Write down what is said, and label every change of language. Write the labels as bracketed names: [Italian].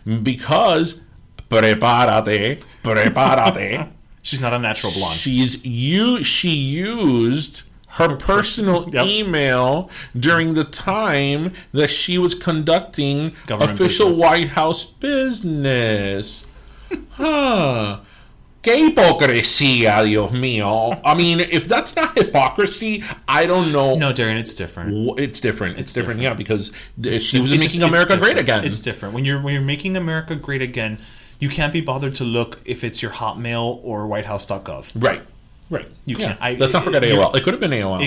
[English] Because prepárate. She's not a natural blonde. She used her personal email during the time that she was conducting government official business. White House business. [Spanish] Qué hipocresía, Dios mío. [English] I mean, if that's not hypocrisy, I don't know. No, Darren, it's different. It's different. It's different. Yeah, because she was making America great again. It's different. When you're making America great again, you can't be bothered to look if it's your Hotmail or whitehouse.gov. Right. Right. You can't. Let's not forget AOL. It could have been AOL.